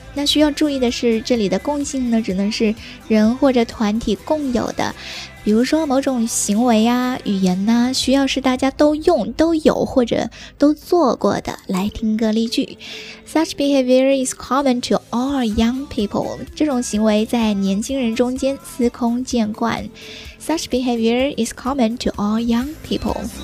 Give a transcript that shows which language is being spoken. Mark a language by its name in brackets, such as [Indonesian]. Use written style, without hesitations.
[Chinese] 那需要注意的是，这里的共性呢，只能是人或者团体共有的，比如说某种行为啊、语言啊，需要是大家都用、都有或者都做过的。来听个例句。 [English] Such behavior is common to all young people. [Chinese] 这种行为在年轻人中间司空见惯。 [English] Such behavior is common to all young people.